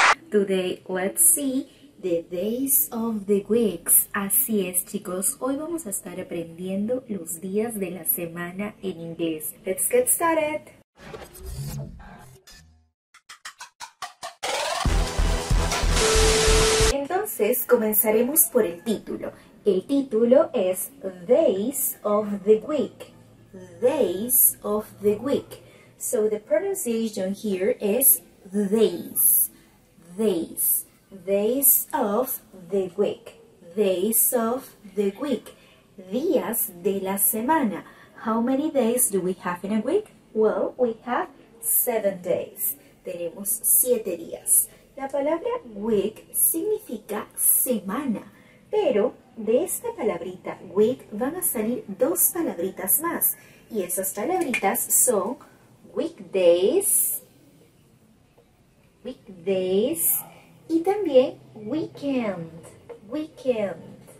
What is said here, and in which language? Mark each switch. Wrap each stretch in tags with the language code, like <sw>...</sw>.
<en>Today, let's see the days of the weeks.</en> <es>Así es, chicos. Hoy vamos a estar aprendiendo los días de la semana en inglés.</es> <en>Let's get started.</en> <es>Entonces, comenzaremos por el título. El título es</es> <en>Days of the Week. days of the week. So the pronunciation here is days, days, days of the week, days of the week,</en> <es>días de la semana.</es> <en>How many days do we have in a week? Well, we have 7 days.</en> <es>Tenemos 7 días. La palabra week significa semana, pero de esta palabrita week van a salir 2 palabritas más. Y esas palabritas son weekdays, weekdays, y también weekend, weekend.</es>